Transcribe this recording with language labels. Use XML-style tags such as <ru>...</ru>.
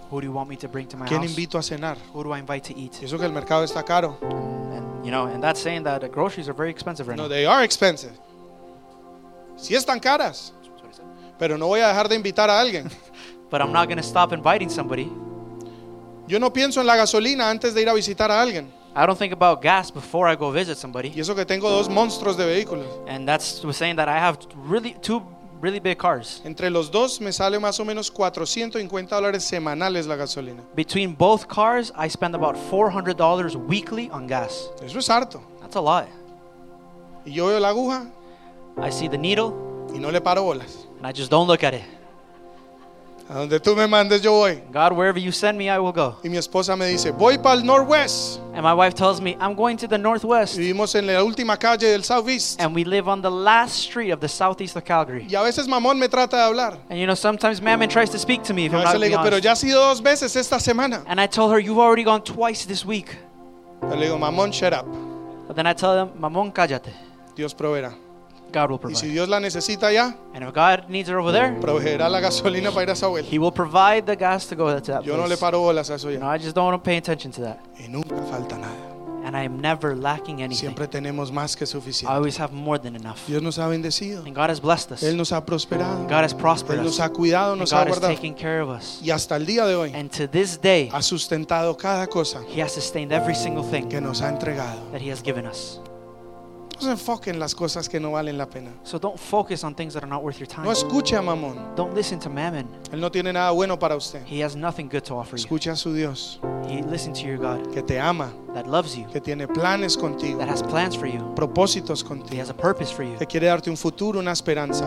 <en>Who do you want me to bring to my house?</en> <es>¿Quién invito a cenar?</es> <en>Who do I invite to eat?</en> <es>Eso que el mercado está caro.</es> <en>And you know, and that's saying that the groceries are very expensive right</en> <es>no,</es> <en>now. No, they are expensive.</en> <es>Sí están caras. Pero no voy a dejar de invitar a alguien.</es> <en>But I'm not going to stop inviting somebody.</en> <es>Yo no pienso en la gasolina antes de ir a visitar a alguien.</es> <en>I don't think about gas before I go visit somebody.</en> <es>Y eso que tengo dos monstruos de vehículos.</es> <en>And that's saying that I have really two really big cars.</en> <es>Entre los dos me sale más o menos $450 semanales la gasolina.</es> <en>Between both cars, I spend about $400 weekly on gas.</en> <es>Eso es harto.</es> <en>That's a lot.</en> <es>Y yo veo la aguja.</es> <en>I see the needle.</en> <es>Y no le paro bolas.</es> <en>And I just don't look at it.</en> <es>A donde tú me mandes, yo voy.</es> <en>God, wherever you send me, I will go.</en> <es>Y mi esposa me dice, voy para el Northwest.</es> <en>And my wife tells me, I'm going to the Northwest.</en> <es>Vivimos en la última calle del Southeast.</es> <en>And we live on the last street of the Southeast of Calgary.</en> <es>Y a veces mamón me trata de hablar.</es> <en>And you know, sometimes mamón tries to speak to me, if I'm not</en> <es>le digo, pero ya ha sido dos veces esta semana.</es> <en>And I told her, you've already gone twice this week.</en> <es>Pero le digo, mamón,</es> <en>shut up. But then I tell them, mamón,</en> <es>cállate. Dios proveerá.</es> <en>God will provide.</en> <es>Y si Dios la necesita allá,</es> <en>and if God needs her over there,</en> <es>proveerá la gasolina para ir a esa vuelta.</es> <en>He will provide the gas to go to that place.</en> <es>Yo no le paro bolas a eso ya.</es> <en>No, I just don't want to pay attention to that.</en> <es>Y nunca falta nada.</es> <en>And I am never lacking anything.</en> <es>Siempre tenemos más que suficiente.</es> <en>I always have more than enough.</en> <es>Dios nos ha bendecido.</es> <en>And God has blessed us.</en> <es>Él nos ha prosperado.</es> <en>God has prospered</en> <es>Él nos</es> <en>us.</en> <es>Ha cuidado, nos</es> <en>God</en> <es>ha guardado.</es> <en>Has taken care of us.</en> <es>Y hasta el día de hoy,</es> <en>and to this day,</en> <es>ha sustentado cada cosa.</es> <en>He has sustained every single thing</en> <es>que nos ha entregado.</es> <en>That he has given us.</en> <es>No se enfoque en las cosas que no valen la pena.</es> <en>So don't focus on things that are not worth your time.</en> <es>No escuche a mamón.</es> <en>Don't listen to mammon.</en> <es>Él no tiene nada bueno para usted.</es> <en>He has nothing good to offer</en> <es>escuche</es> <en>you.</en> <es>Escuche a su Dios.</es> <en>He listen to your God.</en> <es>Que te ama.</es> <en>That loves you.</en> <es>Que tiene planes contigo.</es> <en>That has plans for you.</en> <es>Propósitos contigo.</es> <en>He has a purpose for you.</en> <es>Que quiere darte un futuro, una esperanza.</es>